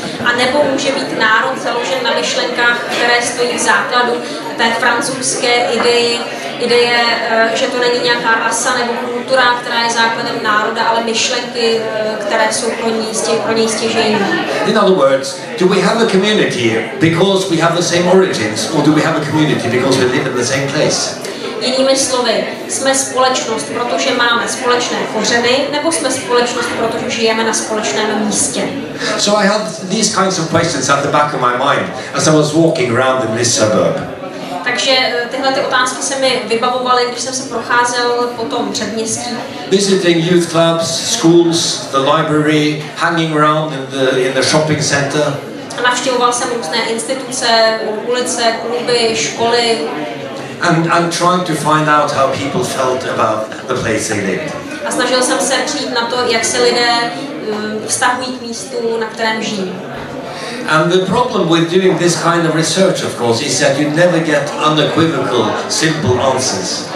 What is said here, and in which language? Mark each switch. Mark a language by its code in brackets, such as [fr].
[cs] A nebo může být národ založen na myšlenkách, které stojí v základu té francouzské ideje, že to není nějaká rasa nebo kultura, která je základem národa, ale myšlenky, které jsou pro něj stěžejní. [en] In other words, do we have a community because we have the same origins, or do we have a community because we live in the same place? [cs] Jinými slovy, jsme společnost, protože máme společné kořeny, nebo jsme společnost, protože žijeme na společném místě. [en] So I had these kinds of questions at the back of my mind as I was walking around in this suburb. [cs] Takže tyhle ty otázky se mi vybavovaly, když jsem se procházel po tom předměstí. [en] Visiting youth clubs, schools, the library, hanging around in the shopping center. [cs] Navštěvoval jsem různé instituce, ulice, kluby, školy. [en] And trying to find out how people felt about the place they lived. [cs] A snažil jsem se přijít na to, jak se lidé vztahují k místu, na kterém žijí. [en] And the problem with doing this kind of research, of course, is that you never get unequivocal, simple answers.